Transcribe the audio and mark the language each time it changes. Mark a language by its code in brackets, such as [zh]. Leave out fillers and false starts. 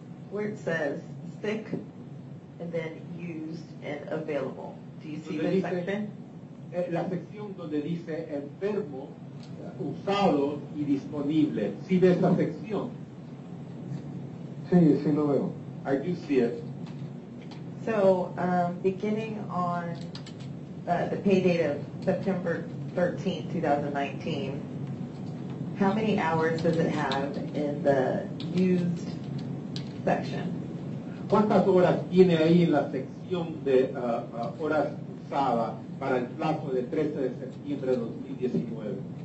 [en] Where it says sick and then used and available. Do you see this section? [es] La sección donde dice enfermo, usado y disponible. ¿Sí ve esta sección? Sí, sí lo veo. [en] I do see it. So, beginning on the pay date of September 13, 2019, how many hours does it have in the used section? [es] ¿Cuántas horas tiene ahí en la sección de horas usadas para el plazo de 13 de septiembre de 2019?